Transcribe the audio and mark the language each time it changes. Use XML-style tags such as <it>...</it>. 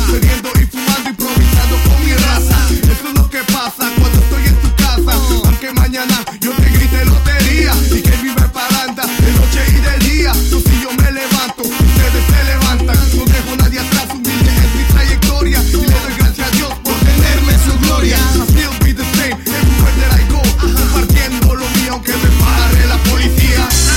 <es>Bebiendo y fumando, improvisando con mi raza. Eso es lo que pasa cuando estoy en tu casa. Aunque mañana yo te grite lotería. Y que vive paranda de noche y de día. Yo si yo me levanto, ustedes se levantan. No dejo nadie atrás, humilde es mi trayectoria. Y le doy gracias a Dios por tenerme su gloria.</es> <en>I still be the same, everywhere that I go.</en> <es>Compartiendo lo mío aunque me pare la policía.</es>